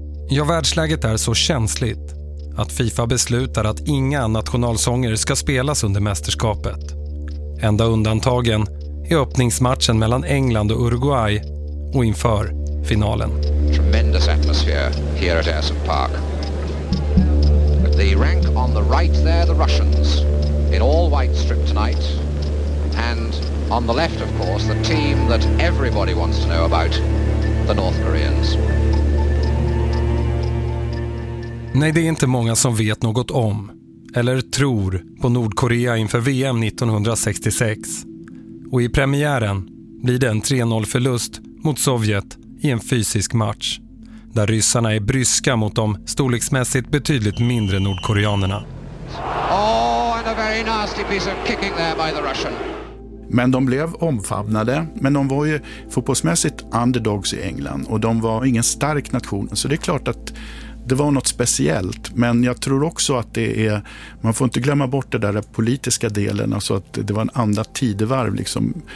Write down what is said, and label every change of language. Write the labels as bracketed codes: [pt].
[sv] Ja, världsläget är så känsligt att FIFA beslutar att inga nationalsånger ska spelas under mästerskapet. Enda undantagen är öppningsmatchen mellan England och Uruguay och inför finalen. [en] Tremendous atmosphere here at Ersin Park. With the rank on the right there, the Russians, in all white strip tonight. And on the left, of course, the team that everybody wants to know about, the North Koreans. [sv] Nej, det är inte många som vet något om eller tror på Nordkorea inför VM 1966. Och i premiären blir det en 3-0-förlust mot Sovjet i en fysisk match, där ryssarna är bryska mot de storleksmässigt betydligt mindre nordkoreanerna. [en] Oh, and a very nasty piece of kicking there by the Russian. [sv] Men de blev omfamnade, men de var ju fotbollsmässigt underdogs i England, och de var ingen stark nation, så det är klart att det var något speciellt. Men jag tror också att det är, man får inte glömma bort det där politiska delen, alltså att det var en annan tidevarv liksom.